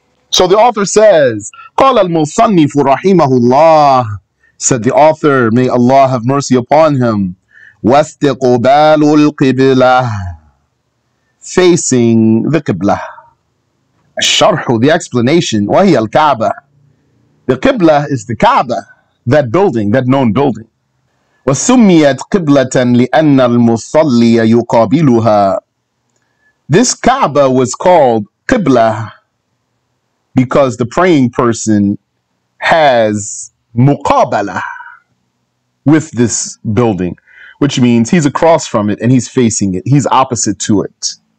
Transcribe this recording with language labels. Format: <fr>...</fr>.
<en>So the author says,</en> <ar>قال المصنف رحمه الله,</ar> <en>said the author, may Allah have mercy upon him,</en> <ar>واستقبال القبلة,</ar> <en>facing the Qiblah.</en> <ar>الشرح,</ar> <en>the explanation,</en> <ar>وهي الكعبة,</ar> <en>the Qibla is the Kaaba, that building, that known building.</en> <ar>وسميت قبلة لأن المصلي يقابلها.</ar> <en>This Kaaba was called Qibla because the praying person has مقابلة with this building, which means he's across from it and he's facing it, he's opposite to it.</en>